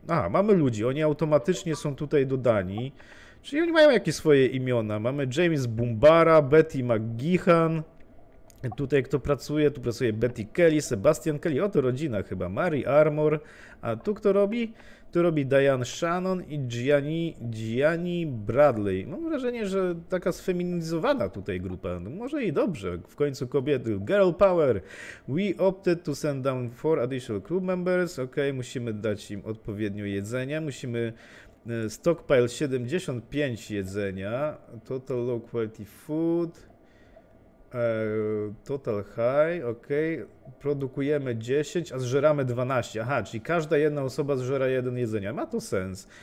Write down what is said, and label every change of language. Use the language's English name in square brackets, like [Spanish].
[Polish] Mamy ludzi, oni automatycznie są tutaj dodani, czyli oni mają jakieś swoje imiona, mamy James Bumbara, Betty McGeehan, tutaj kto pracuje, tu pracuje Betty Kelly, Sebastian Kelly, oto rodzina chyba, Mary Armor, a tu kto robi? Tu robi Diane Shannon i Gianni Bradley. Mam wrażenie, że taka sfeminizowana tutaj grupa. No może i dobrze, w końcu kobiety. [English] Girl power! We opted to send down 4 additional crew members. [Polish] Okej, musimy dać im odpowiednio jedzenie. Musimy stockpile 75 jedzenia. [English] Total low quality food. Total high, [Polish] okej. Produkujemy 10, a zżeramy 12. Czyli każda jedna osoba zżera jeden jedzenia. Ma to sens.